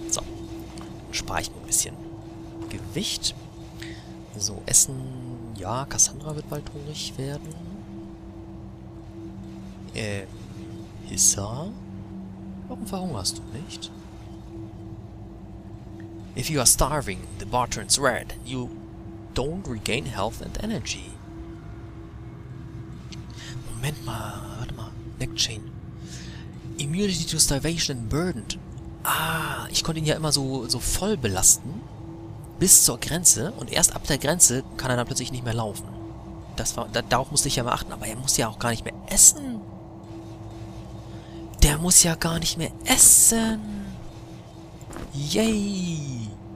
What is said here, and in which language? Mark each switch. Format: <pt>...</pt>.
<de>So, spare ich mir ein bisschen Gewicht. So, Essen. Ja, Cassandra wird bald hungrig werden. Hissa? Warum verhungerst du nicht?</de> <en>If you are starving, the bar turns red. You don't regain health and energy.</en> <de>Moment mal, warte mal.</de> <en>Neckchain. Immunity to starvation and burdened.</en> <de>Ah, ich konnte ihn ja immer so voll belasten. Bis zur Grenze. Und erst ab der Grenze kann er dann plötzlich nicht mehr laufen. Darauf musste ich ja mal achten. Aber er muss ja auch gar nicht mehr essen. Der muss ja gar nicht mehr essen. Yay.</de>